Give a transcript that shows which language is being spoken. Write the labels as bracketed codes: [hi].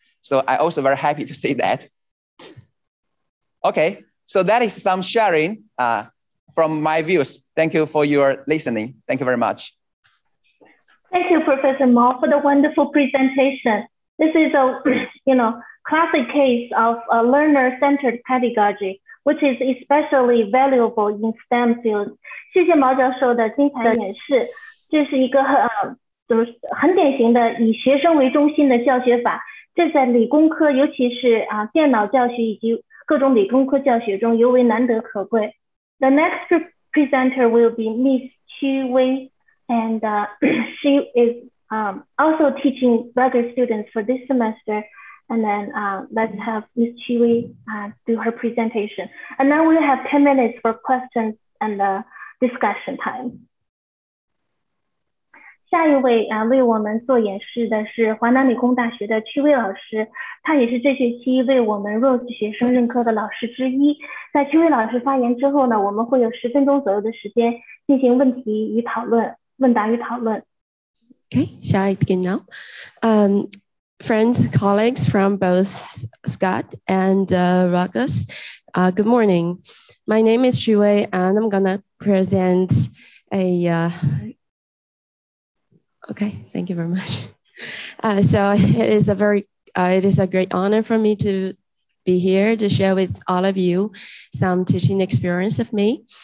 [en] So I also very happy to see that. Okay, so that is some sharing from my views. Thank you for your listening. Thank you very much. Thank you, Professor Mao, for the wonderful presentation. This is a classic case of a learner-centered pedagogy, which is especially valuable in STEM fields. [zh] 谢谢毛教授的精彩演示。这是一个很典型的以学生为中心的教学法，这在理工科，尤其是电脑教学以及各种理工科教学中尤为难得可贵。 [en] The next presenter will be Ms. Qi Wei, and she is also teaching regular students for this semester. And then let's have Ms. Qi Wei do her presentation. And now we have 10 minutes for questions and discussion time. [zh] 下一位啊，为我们做演示的是华南理工大学的屈威老师，他也是这学期为我们 Rose 学生任课的老师之一。在屈威老师发言之后呢，我们会有10分钟左右的时间进行问题与讨论、问答与讨论。 [en] Okay, shall I begin now? Friends, colleagues from both Scott and Ragus, good morning. My name is Chi Wei, and I'm gonna present a. Okay, thank you very much. So it is a very, it is a great honor for me to be here to share with all of you some teaching experience of me.